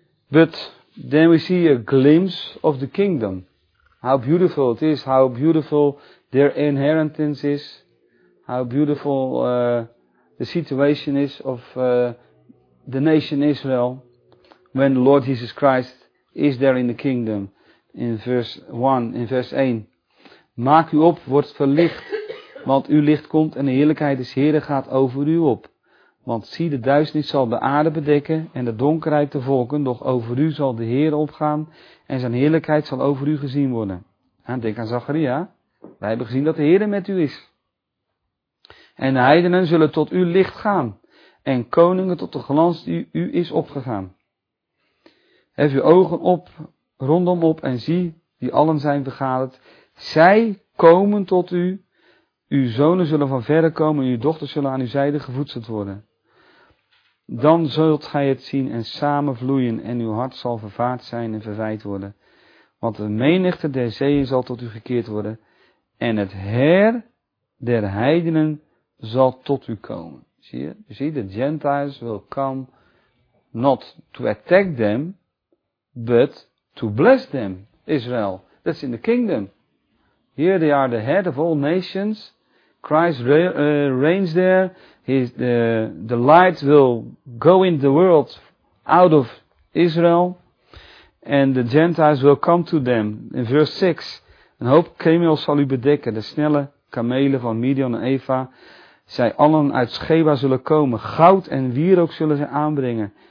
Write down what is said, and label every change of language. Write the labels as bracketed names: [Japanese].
[English] But then we see a glimpse of the kingdom. How beautiful it is, how beautiful their inheritance is, how beautiful the situation is of the nation Israel when the Lord Jesus Christ is there in the kingdom. [Dutch] In verse 1, maak u op, word verlicht, want uw licht komt en de heerlijkheid des Heeren gaat over u op. Want zie, de duisternis zal de aarde bedekken en de donkerheid de volken, doch over u zal de Heer opgaan en zijn heerlijkheid zal over u gezien worden. En denk aan Zacharia, wij hebben gezien dat de Heer met u is. En de heidenen zullen tot uw licht gaan en koningen tot de glans die u is opgegaan. Hef uw ogen op, rondom op en zie, die allen zijn vergaderd. Zij komen tot u, uw zonen zullen van verre komen en uw dochters zullen aan uw zijde gevoedseld worden. Dan zult gij het zien en samenvloeien en uw hart zal vervaard zijn en verwijd worden. Want de menigte der zeeën zal tot u gekeerd worden en het Heer der heidenen zal tot u komen. Zie je? [English] You see, the Gentiles will come not to attack them, but to bless them, Israel. That's in the kingdom. Here they are the head of all nations. Christ reigns there. The light will go in the world out of Israel. And the Gentiles will come to them. In verse 6. [Dutch] Een hoop kamelen zal u bedekken. De snelle kamelen van Midian en Eva. Zij allen uit Scheba zullen komen. Goud en wierook zullen zij aanbrengen.